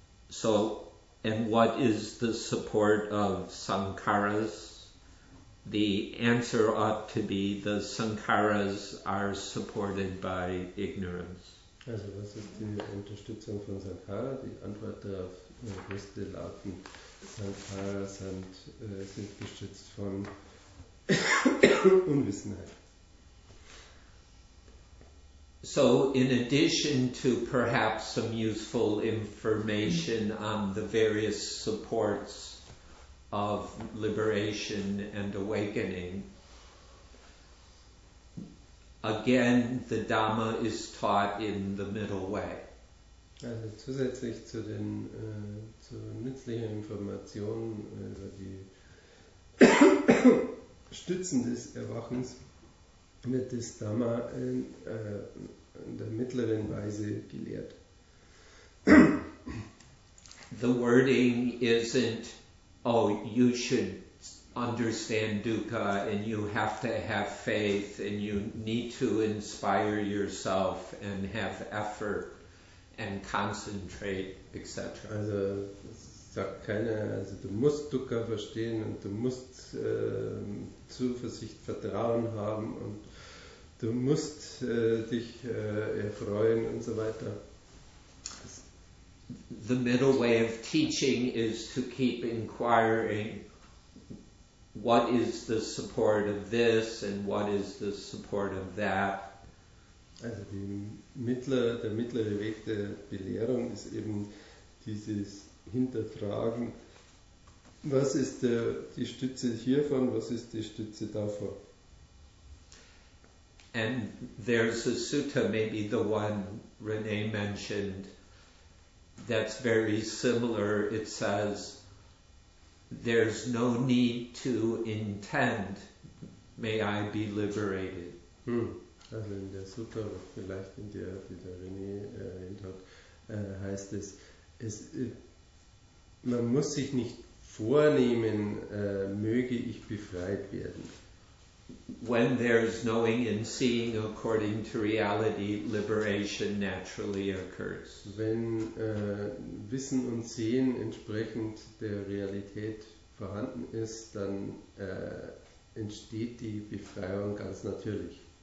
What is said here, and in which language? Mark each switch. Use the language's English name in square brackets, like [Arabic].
[English] So, and what is the support of Sankaras? The answer ought to be the Sankaras are supported by ignorance. [German] Also, was ist die Unterstützung von Sankara? Die Antwort darauf müsste lauten, Sankara sind gestützt von Unwissenheit. [English] So, in addition to perhaps some useful information on the various supports of liberation and awakening, again, the Dhamma is taught in the middle way. [German] Also zusätzlich zu den zu nützlichen Informationen über die Stützen des Erwachens wird das Dhamma in der mittleren Weise gelehrt. [English] The wording isn't, oh, you should understand dukkha and you have to have faith and you need to inspire yourself and have effort and concentrate, etc. [German] Also sagt keiner, also du musst Dukkha verstehen und du musst Zuversicht, Vertrauen haben und du musst dich erfreuen und so weiter. [English] The middle way of teaching is to keep inquiring what is the support of this and what is the support of that. [German] Also der mittlere Weg der Belehrung ist eben dieses Hinterfragen, was ist die Stütze hiervon, was ist die Stütze davon. [English] And there's a sutta, maybe the one Rene mentioned, that's very similar. It says, there's no need to intend, may I be liberated. [German] Also in der Sutta, vielleicht in der, die der René erwähnt hat, heißt es, man muss sich nicht vornehmen, möge ich befreit werden. [English] When there's knowing and seeing according to reality, liberation naturally occurs. [German] Wenn Wissen und Sehen entsprechend der Realität vorhanden ist, dann entsteht die Befreiung ganz natürlich.